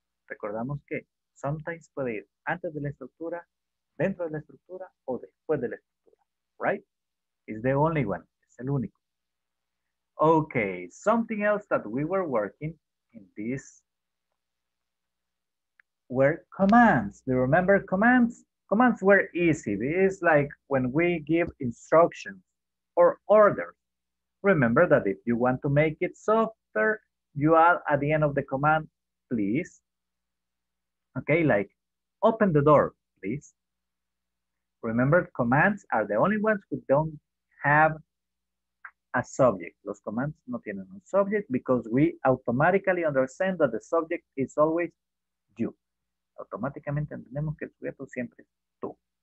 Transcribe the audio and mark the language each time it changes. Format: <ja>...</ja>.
<es>Recordamos que sometimes puede ir antes de la estructura, dentro de la estructura, o después de la estructura.</es> <en>Right? It's the only one.</en> <es>Es el único.</es> <en>Okay. Something else that we were working in this were commands. Do you remember commands? Commands were easy. It's like when we give instructions or order. Remember that if you want to make it softer, you add at the end of the command, please. Okay, like open the door, please. Remember, commands are the only ones who don't have a subject.</en> <es>Los commands no tienen un subject</es> <en>because we automatically understand that the subject is always you.</en> <es>Automáticamente entendemos que el sujeto siempre es tú.</es>